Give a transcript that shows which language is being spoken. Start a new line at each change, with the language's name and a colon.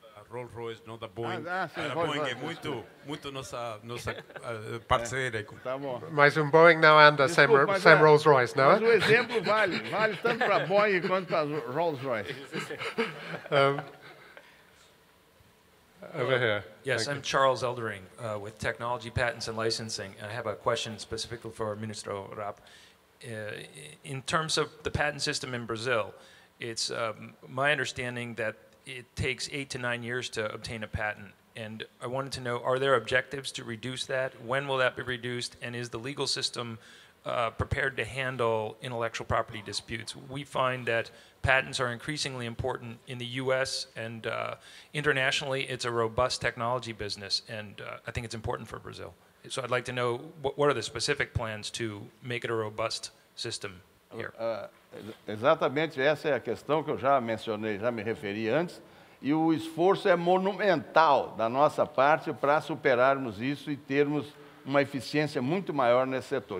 Portuguese: Rolls-Royce, não da Boeing. A Boeing é muito nossa parceira. Tá bom. Mas Boeing não anda sem Rolls-Royce, não é? Mas o exemplo vale tanto para a Boeing quanto para a Rolls-Royce.
English: Over here. Yes, I'm Charles Eldering with Technology Patents and Licensing. I have a question specifically for Ministro Rapp. In terms of the patent system in Brazil, it's my understanding that it takes 8 to 9 years to obtain a patent. And I wanted to know, are there objectives to reduce that? When will that be reduced? And is the legal system prepared to handle intellectual property disputes? We find that patents are increasingly important in the U.S. and internationally, it's a robust technology business. And I think it's important for Brazil. So I'd like to know, what are the specific plans to make it a robust system here?
Portuguese: Exatamente essa é a questão que eu já mencionei, já me referi antes, e o esforço é monumental da nossa parte para superarmos isso e termos uma eficiência muito maior nesse setor.